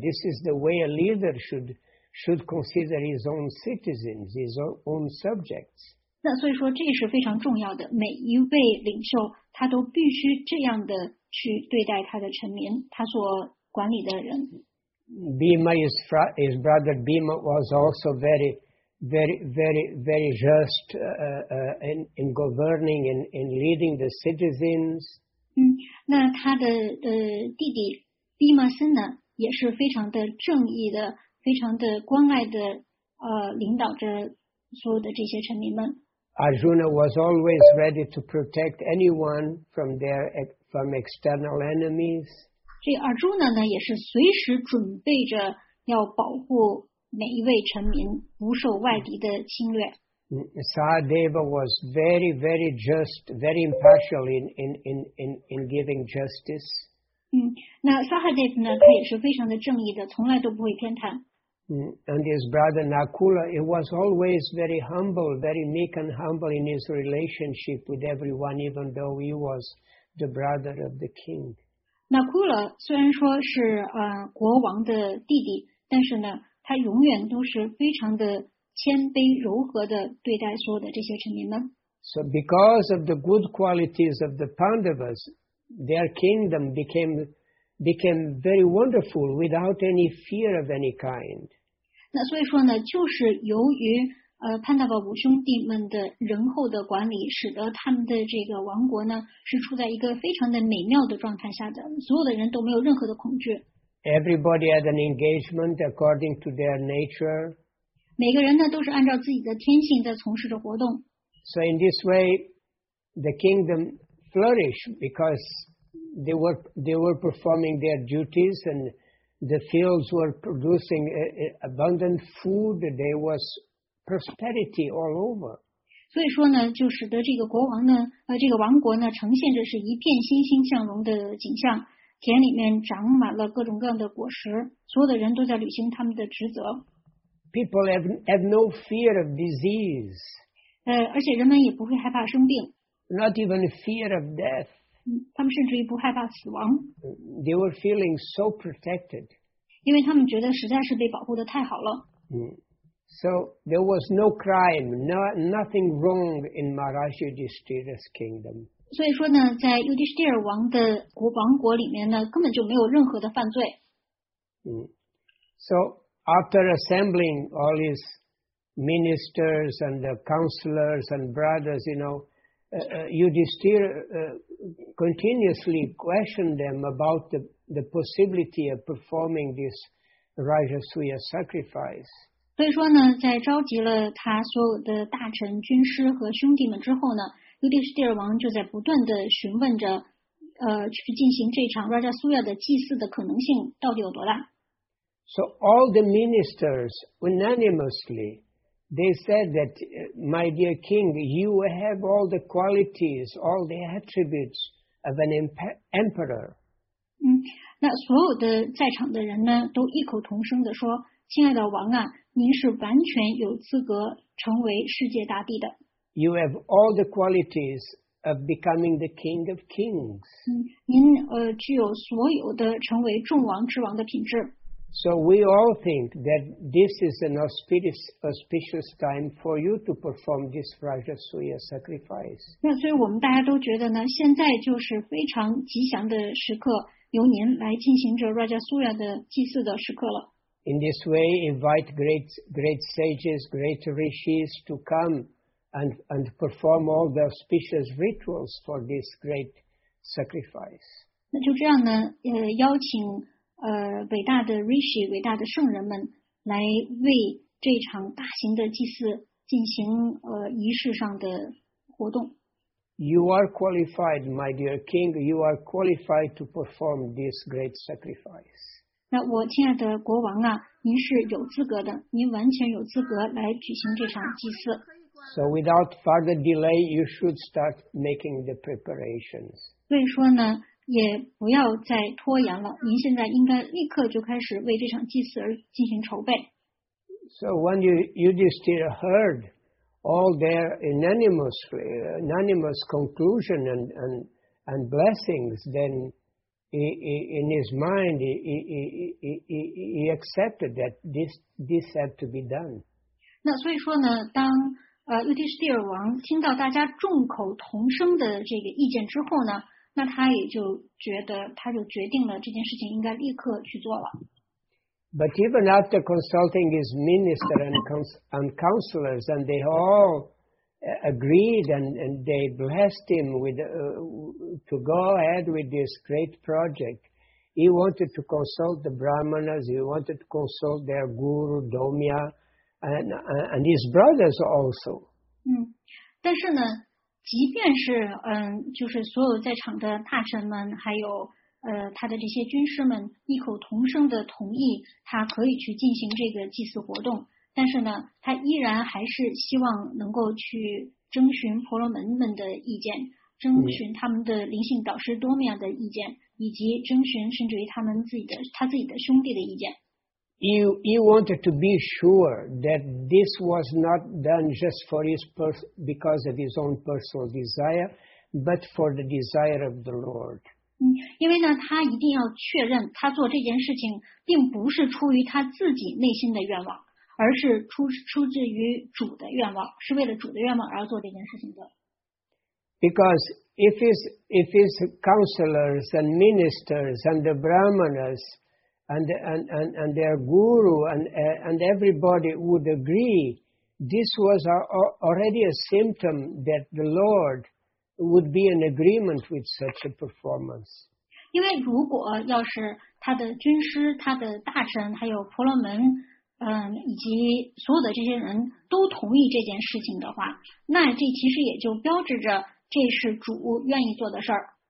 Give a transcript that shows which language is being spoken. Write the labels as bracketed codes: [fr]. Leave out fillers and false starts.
[en] This is the way a leader should consider his own citizens, his own subjects. [zh] 那所以说这是非常重要的，每一位领袖他都必须这样的去对待他的臣民，他所管理的人。 [en] Bhima, his brother Bhima, was also very, very, very, very just in governing and in leading the citizens. [zh] 那他的弟弟 Bhima Sen 呢，也是非常的正义的，非常的关爱的领导着所有的这些臣民们。 [en] Arjuna was always ready to protect anyone from external enemies. [zh] 这阿朱呢也是随时准备着要保护每一位臣民不受外敌的侵略。 [en] Sahadeva was very, very just, very impartial in giving justice. [zh] 那 Sahadeva 呢，他也是非常的正义的，从来都不会偏袒。 [en] And his brother Nakula, he was always very humble, very meek and humble in his relationship with everyone, even though he was the brother of the king. [zh] Nakula 虽然说是国王的弟弟，但是呢，他永远都是非常的谦卑柔和的对待所有的这些臣民们。 [en] So because of the good qualities of the Pandavas, their kingdom became very wonderful without any fear of any kind. [zh] 那所以说呢，就是由于潘达瓦五兄弟们的仁厚的管理，使得他们的这个王国呢是处在一个非常的美妙的状态下的，所有的人都没有任何的恐惧。 [en] Everybody had an engagement according to their nature. [zh] 每个人呢都是按照自己的天性在从事着活动。 [en] So in this way, the kingdom flourished because they were performing their duties and the fields were producing abundant food. There was prosperity all over. [zh] 所以说呢，就使得这个国王呢，这个王国呢，呈现着是一片欣欣向荣的景象。田里面长满了各种各样的果实，所有的人都在履行他们的职责。 [en] People have no fear of disease. [zh] 而且人们也不会害怕生病。 [en] Not even fear of death. [zh] 他们甚至于不害怕死亡。 [en] They were feeling so protected. [zh] 因为他们觉得实在是被保护得太好了。 [en] So there was no crime, nothing wrong in Maharaj Yudhishthira's kingdom. [zh] 所以说呢，在 Yudhishthira 王的王国里面呢，根本就没有任何的犯罪。 [en] So after assembling all his ministers and the counselors and brothers, you know, Yudhishthira continuously questioned them about the possibility of performing this Rajasuya sacrifice. [zh] 所以说呢，在召集了他所有的大臣、军师和兄弟们之后呢，尤迪士蒂尔王就在不断的询问着，去进行这场 Raja Surya 的祭祀的可能性到底有多大。 [en] So all the ministers unanimously, they said that, my dear king, you have all the qualities, all the attributes of an emperor. [zh] 那所有的在场的人呢，都异口同声地说，亲爱的王啊，您是完全有资格成为世界大帝的。 [en] You have all the qualities of becoming the king of kings. [zh] 您具有所有的成为众王之王的品质。 [en] So we all think that this is an auspicious time for you to perform this Raja Surya sacrifice. [zh] 那所以我们大家都觉得呢，现在就是非常吉祥的时刻，由您来进行这 Raja Surya 的祭祀的时刻了。 [en] In this way, invite great sages, great rishis to come and perform all the auspicious rituals for this great sacrifice. [zh] 那就这样呢，邀请伟大的 Rishi, 伟大的圣人们来为这场大型的祭祀进行仪式上的活动。 [en] You are qualified, my dear king, you are qualified to perform this great sacrifice. [zh] 那我亲爱的国王啊，您是有资格的，您完全有资格来举行这场祭祀。 [en] So without further delay, you should start making the preparations. [zh] 所以说呢，也不要再拖延了，您现在应该立刻就开始为这场祭祀而进行筹备。 [en] So when Yudhishthira heard all their unanimous conclusion and blessings, then in his mind he accepted that this had to be done. [zh] 那所以说呢，当Yudhishthira王听到大家众口同声的这个意见之后呢，那他也就觉得，他就决定了这件事情应该立刻去做了。 [en] But even after consulting his minister and counselors, and they all agreed and they blessed him to go ahead with this great project, he wanted to consult the brahmanas, he wanted to consult their guru, Domya, and his brothers also. [zh] 但是呢，即便是就是所有在场的大臣们，还有他的这些军师们异口同声的同意他可以去进行这个祭祀活动，但是呢，他依然还是希望能够去征询婆罗门们的意见，征询他们的灵性导师多米亚的意见，以及征询甚至于他自己的兄弟的意见。 [en] He wanted to be sure that this was not done just for his because of his own personal desire, but for the desire of the Lord. [zh] 因为呢，他一定要确认他做这件事情并不是出于他自己内心的愿望，而是出自于主的愿望，是为了主的愿望而做这件事情的。 [en] Because if his counselors and ministers and the brahmanas and their guru and everybody would agree, this was already a symptom that the Lord would be in agreement with such a performance. [zh] 因为如果要是他的军师、他的大臣、还有婆罗门，以及所有的这些人都同意这件事情的话，那这其实也就标志着这是主愿意做的事儿。